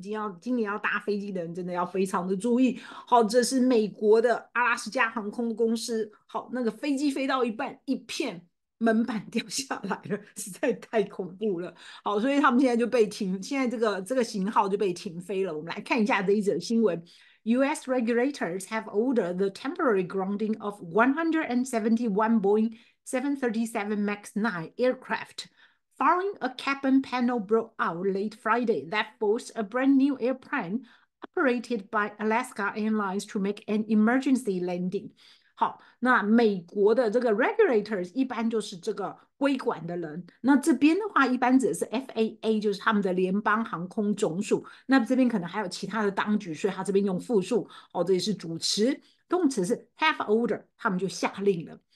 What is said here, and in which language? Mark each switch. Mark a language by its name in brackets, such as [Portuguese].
[Chinese] 今年要搭飞机的人真的要非常的注意。好，这是美国的阿拉斯加航空公司。好，那个飞机飞到一半，一片门板掉下来了，实在太恐怖了。好，所以他们现在就被停，现在这个型号就被停飞了。我们来看一下这一则新闻。 [English] U.S. regulators have ordered the temporary grounding of 171 Boeing 737 MAX 9 aircraft, following a cabin panel blowout late Friday that forced a brand new airplane operated by Alaska Airlines to make an emergency landing. [Chinese] 好，那美国的这个 regulators 一般就是这个规管的人。那这边的话，一般指的是 FAA，就是他们的联邦航空总署。那这边可能还有其他的当局，所以他这边用复数。哦，这里是主词，动词是 have order，他们就下令了。